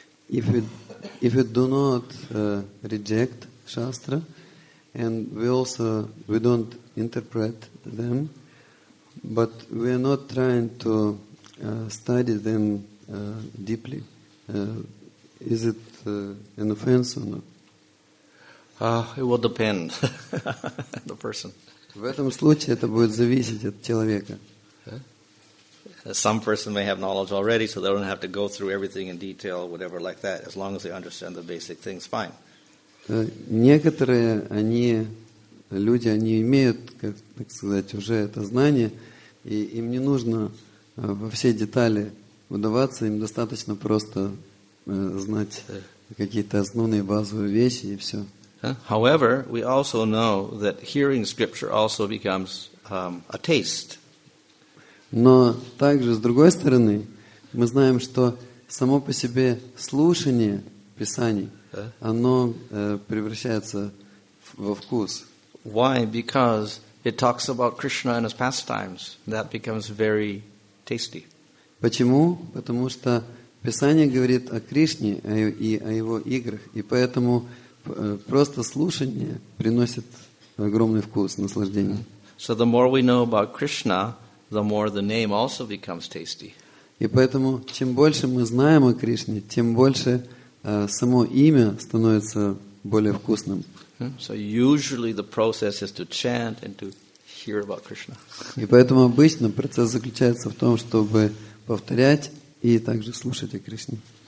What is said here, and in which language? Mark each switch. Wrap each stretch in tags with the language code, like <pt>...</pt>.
<en>If we do not reject Shastra, and we don't interpret them, but we are not trying to study them deeply, is it an offense or not? It will depend the person.</en> <ru>В этом случае это будет зависеть от человека.</ru> <en>Some person may have knowledge already, so they don't have to go through everything in detail, whatever like that. As long as they understand the basic things, fine.</en> <ru>Некоторые они люди, они имеют, как так сказать, уже это знание, и им не нужно во все детали вдаваться, им достаточно просто знать какие-то основные базовые вещи и все.</ru> <en>However, we also know that hearing scripture also becomes a taste.</en> <ru>Но также с другой стороны, мы знаем, что само по себе слушание Писаний, оно превращается во вкус.</ru> <en>Why? Because it talks about Krishna and his pastimes. That becomes very tasty.</en> <ru>Почему? Потому что Писание говорит о Кришне и о его играх, и поэтому просто слушание приносит огромный вкус, наслаждение.</ru> <en>So the more we know about Krishna, the more the name also becomes tasty.</en> <ru>И поэтому чем больше мы знаем о Кришне, тем больше само имя становится более вкусным.</ru> <en>So usually the process is to chant and to hear about Krishna.</en> <ru>И поэтому обычно процесс заключается в том, чтобы повторять и также слушать о Кришне.</ru>